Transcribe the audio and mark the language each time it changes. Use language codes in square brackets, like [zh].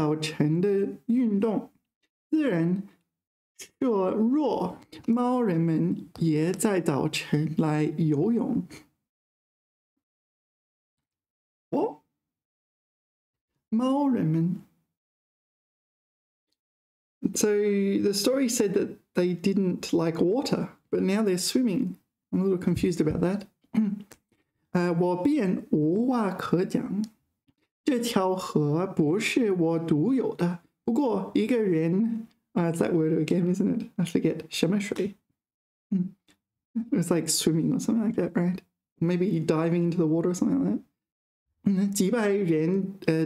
[zh] 可是，那时候怒气使我忘了一切体谅，我必须使大些知道我的厉害，不然我永远不用再想安静的享受这早晨的运动，自然。若猫人们也在早晨来游泳。哦，猫人们。 [en] So the story said that they didn't like water, but now they're swimming. I'm a little confused about that. [zh] 我便无话可讲，这条河不是我独有的，不过一个人。 [en] It's that word again, isn't it? I forget. Shemeshri. It's like swimming or something like that, right? Maybe diving into the water or something like that.